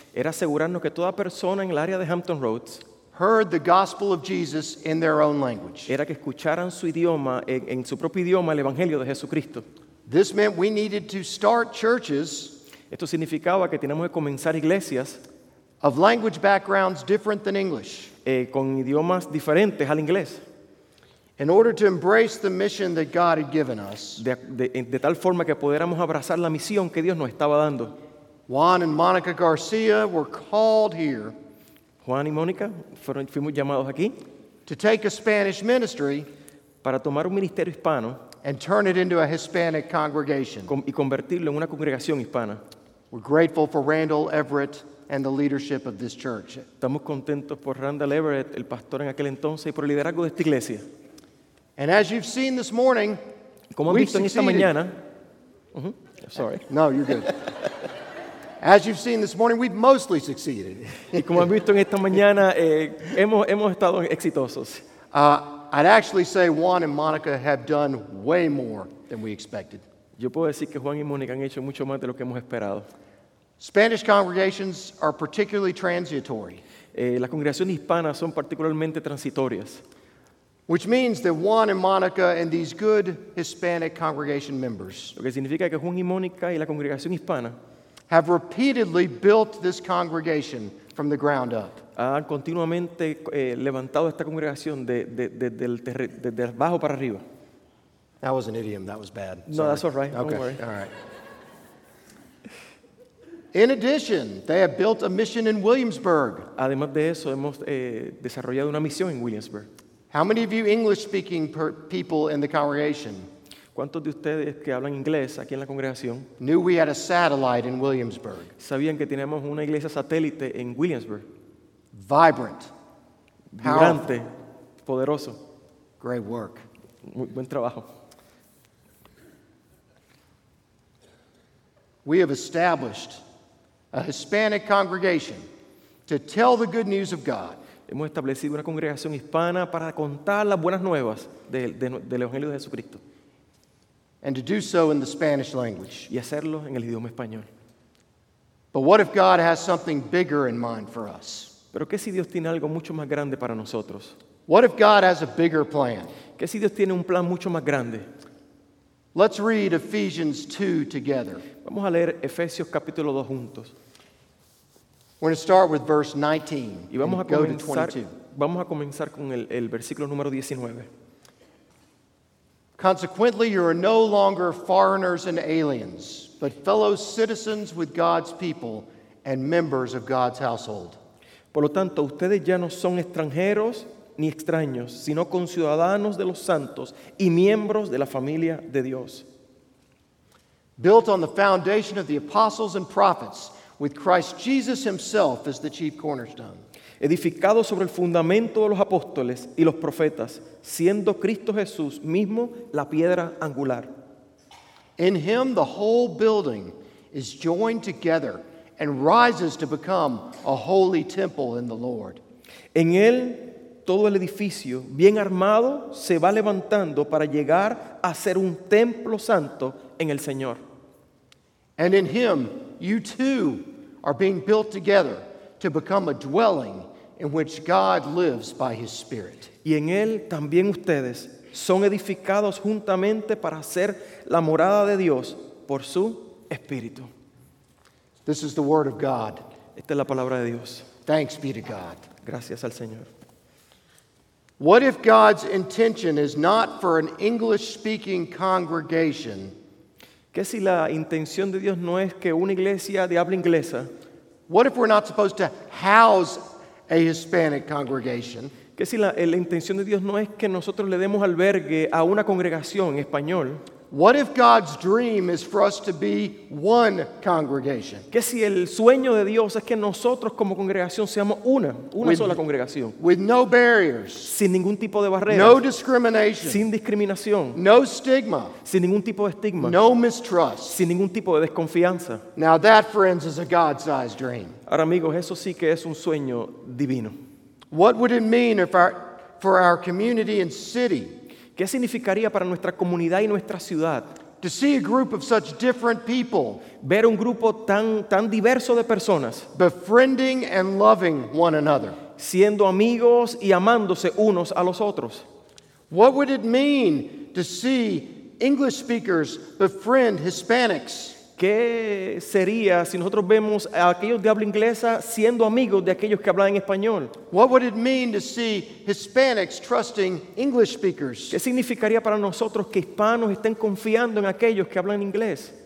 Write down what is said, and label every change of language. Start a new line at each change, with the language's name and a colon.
Spanish: era asegurarnos que toda persona en el área de Hampton Roads
English: heard the gospel of Jesus in their own language.
Spanish: Era que escucharan su idioma, en su propio idioma, el Evangelio de Jesucristo.
English: This meant we needed to start churches.
Spanish: Esto significaba que teníamos que comenzar iglesias
English: of language backgrounds different than English.
Spanish: Con idiomas diferentes al inglés.
English: In order to embrace the mission that God had given us.
Spanish: De tal forma que pudiéramos abrazar la misión que Dios nos estaba dando.
English: Juan and Monica Garcia were called here.
Spanish: Juan y Mónica fuimos llamados aquí.
English: To take a Spanish ministry.
Spanish: Para tomar un ministerio hispano.
English: And turn it into a Hispanic congregation.
Spanish: Y convertirlo en una congregación hispana.
English: We're grateful for Randall Everett and the leadership of this church.
Spanish: Estamos contentos por Randall Everett, el pastor en aquel entonces, y por el liderazgo de esta iglesia.
English: And as you've seen this morning,
Spanish: como han visto en esta mañana,
English: sorry. No, you're good. As you've seen this morning, we've mostly succeeded.
Spanish: Y como han visto en esta mañana, hemos estado exitosos.
English: I'd actually say Juan and Monica have done way more than we expected.
Spanish: Yo puedo decir que Juan y Mónica han hecho mucho más de lo que hemos esperado.
English: Spanish congregations are particularly transitory.
Spanish: Las congregaciones hispanas son particularmente transitorias.
English: Which means that Juan and Monica and these good Hispanic congregation members.
Spanish: Lo que significa que Juan y Mónica y la congregación hispana
English: have repeatedly built this congregation from the ground up.
Spanish: Han continuamente levantado esta congregación de abajo para arriba.
English: That was an idiom. That was bad. Sorry. No, that's all right. Okay. Don't worry. All right. In addition, they have built a mission in Williamsburg.
Spanish: Además de eso, hemos desarrollado una misión en Williamsburg.
English: How many of you English-speaking people in the congregation?
Spanish: ¿Cuántos de ustedes que hablan inglés aquí en la congregación
English: knew we had a satellite in Williamsburg?
Spanish: Sabían que teníamos una iglesia satélite en Williamsburg.
English: Vibrant,
Spanish: vibrante, poderoso.
English: Great work.
Spanish: Buen trabajo.
English: We have established a Hispanic congregation to tell the good news of God.
Spanish: Hemos establecido una congregación hispana para contar las buenas nuevas del Evangelio de Jesucristo.
English: And to do so in the Spanish language.
Spanish: Y hacerlo en el idioma español.
English: But what if God has something bigger in mind for us?
Spanish: ¿Pero qué si Dios tiene algo mucho más grande para nosotros?
English: What if God has a bigger plan?
Spanish: ¿Qué si Dios tiene un plan mucho más grande?
English: Let's read Ephesians 2 together.
Spanish: Vamos a leer Efesios capítulo 2 juntos.
English: We're going to start with verse 19
Spanish: y vamos
English: and
Spanish: a comenzar,
English: go to 22.
Spanish: Vamos a comenzar con el versículo número 19.
English: Consequently, you are no longer foreigners and aliens, but fellow citizens with God's people and members of God's household.
Spanish: Por lo tanto, ustedes ya no son extranjeros ni extraños, sino conciudadanos de los santos y miembros de la familia de Dios.
English: Built on the foundation of the apostles and prophets, with Christ Jesus himself as the chief cornerstone.
Spanish: Edificado sobre el fundamento de los apóstoles y los profetas, siendo Cristo Jesús mismo la piedra angular.
English: In him the whole building is joined together and rises to become a holy temple in the Lord.
Spanish: En él todo el edificio, bien armado, se va levantando para llegar a ser un templo santo en el Señor.
English: And in him you too are being built together to become a dwelling in which God lives by his Spirit.
Spanish: Y en él también ustedes son edificados juntamente para ser la morada de Dios por su Espíritu.
English: This is the word of God.
Spanish: Esta es la palabra de Dios.
English: Thanks be to God.
Spanish: Gracias al Señor.
English: What if God's intention is not for an English-speaking congregation?
Spanish: ¿Qué si la intención de Dios no es que una iglesia de habla inglesa?
English: What if we're not supposed to house a Hispanic congregation?
Spanish: ¿Qué si la intención de Dios no es que nosotros le demos albergue a una congregación en español?
English: What if God's dream is for us to be one congregation?
Spanish: ¿Qué si el sueño de Dios es que nosotros como congregación seamos una sola congregación?
English: With no barriers.
Spanish: Sin ningún tipo de barreras.
English: No discrimination.
Spanish: Sin discriminación.
English: No stigma.
Spanish: Sin ningún tipo de estigma.
English: No mistrust.
Spanish: Sin ningún tipo de desconfianza.
English: Now that, friends, is a God-sized dream.
Spanish: Ahora, amigos, eso sí que es un sueño divino.
English: What would it mean if for our community and city?
Spanish: ¿Qué significaría para nuestra comunidad y nuestra ciudad?
English: To see a group of such different people.
Spanish: Ver un grupo tan diverso de personas.
English: Befriending and loving one another.
Spanish: Siendo amigos y amándose unos a los otros.
English: What would it mean to see English speakers befriend Hispanics?
Spanish: ¿Qué sería si nosotros vemos a aquellos de habla inglesa siendo amigos de aquellos que hablan en español?
English: What would it mean to see Hispanics trusting English speakers?
Spanish: ¿Qué significaría para nosotros que hispanos estén confiando en aquellos que hablan inglés?